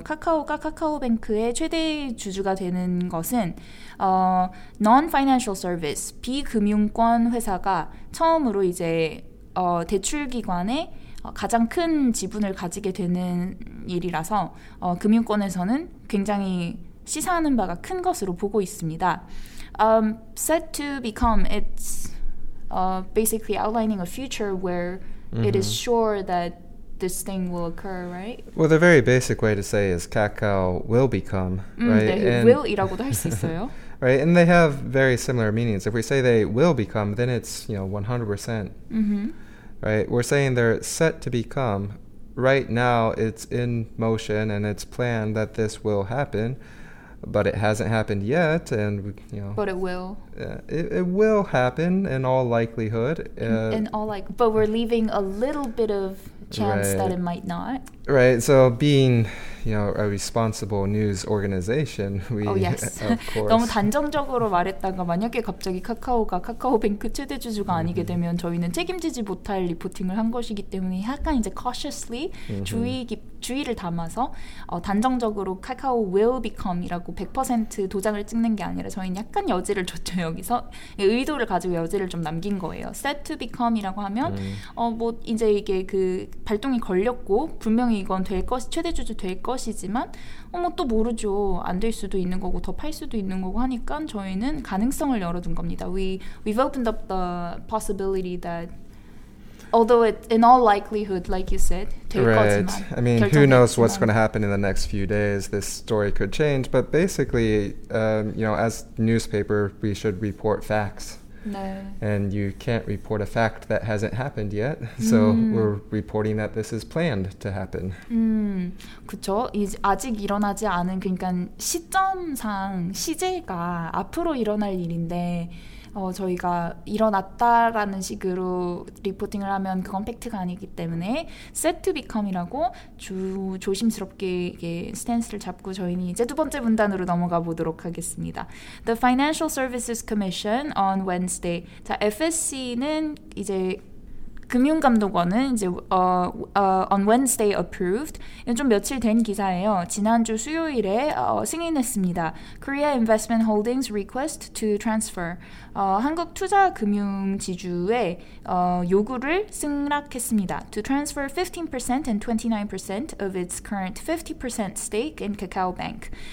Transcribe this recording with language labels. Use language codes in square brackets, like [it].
[ko] 카카오가 카카오뱅크의 최대 주주가 되는 것은 non-financial service, 비금융권 회사가 처음으로 이제 대출기관에 가장 큰 지분을 가지게 되는 일이라서 금융권에서는 굉장히 시사하는 바가 큰 것으로 보고 있습니다. [en] Set to become, it's basically outlining a future where mm-hmm. it is sure that this thing will occur, right? Well, the very basic way to say is Kakao will become, right? [ko] 네, will 이라고도 할 수 있어요. [en] Right, and they have very similar meanings. If we say they will become, then it's, you know, 100%. Mm-hmm. Right, we're saying they're set to become. Right now, it's in motion and it's planned that this will happen, but it hasn't happened yet, and, you know. But it will. It will happen in all likelihood. But we're leaving a little bit of chance right. that it might not. Right, so being, you know, a responsible news organization, we, oh, yes. of course. [ko] 너무 단정적으로 말했다가 만약에 갑자기 카카오가 카카오뱅크 최대주주가 mm-hmm. 아니게 되면 저희는 책임지지 못할 리포팅을 한 것이기 때문에 약간 이제 cautiously, mm-hmm. 주의를 담아서 단정적으로 카카오 will become이라고 100% 도장을 찍는 게 아니라 저희는 약간 여지를 줬죠, 여기서. 의도를 가지고 여지를 좀 남긴 거예요. set to become이라고 하면 mm. 뭐 이제 이게 그 발동이 걸렸고 분명히 이건 될 것이 최대주주 될 것이지만 뭐 또 모르죠. 안 될 수도 있는 거고 더 팔 수도 있는 거고 하니까 저희는 가능성을 열어둔 겁니다. [en] We've opened up the possibility that although it in all likelihood like you said, [ko] 될 [en] right. [ko] 거지만 [en] I mean, who knows what's going to happen in the next few days. This story could change, but basically, you know, as newspaper, we should report facts. [ko] 네. [en] And you can't report a fact that hasn't happened yet. So we're reporting that this is planned to happen. [ko] 그렇죠. 아직 일어나지 않은 그러니까 시점상 시제가 앞으로 일어날 일인데 저희가 일어났다라는 식으로 리포팅을 하면 그건 팩트가 아니기 때문에 set to become이라고 조심스럽게 이게 스탠스를 잡고 저희는 이제 두 번째 문단으로 넘어가 보도록 하겠습니다. [en] The Financial Services Commission on Wednesday. [ko] 자, FSC는 이제 금융감독원은 이제 [en] on Wednesday approved. [ko] 이건 좀 며칠 된 기사예요. 지난주 수요일에 승인했습니다. [en] Korea Investment Holdings request to transfer. [ko] 한국 투자 금융 지주의 요구를 승낙했습니다. [en] To transfer 15% and 29% of its current 50% stake in Kakao Bank.